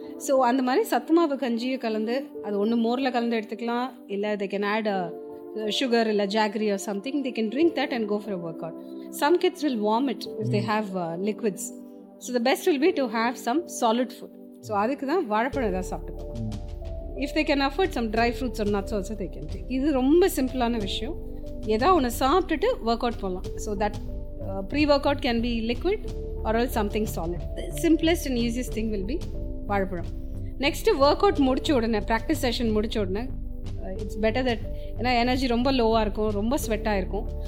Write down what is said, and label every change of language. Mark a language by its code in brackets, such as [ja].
[ta] So அந்த மாதிரி சத்துமாவு கஞ்சியை கலந்து அது ஒன்று மோரில் கலந்து எடுத்துக்கலாம், இல்லை [en] they can add sugar [ta] இல்லை [en] Jaggery or something, they can drink that and go for a work out. Some kids will vomit if they have liquids. So the best will be to have some solid food. [ta] So அதுக்கு தான் வாழைப்பழம் ஏதாவது சாப்பிட்டுக்கலாம். [en] If they can afford some dry fruits or nuts also, they can take. [ta] இது ரொம்ப சிம்பிளான விஷயம். ஏதாவது ஒன்று சாப்பிட்டுட்டு ஒர்க் அவுட் போகலாம். [en] So that pre work out can be liquid or all something solid. The simplest and easiest thing will be [ta] வாழைப்பழம். Next work out முடிச்ச உடனே, ப்ராக்டிஸ் செஷன் முடிச்ச உடனே, [en] it's better that, [ta] ஏன்னா எனர்ஜி ரொம்ப லோவாக இருக்கும், ரொம்ப ஸ்வெட்டாக இருக்கும்.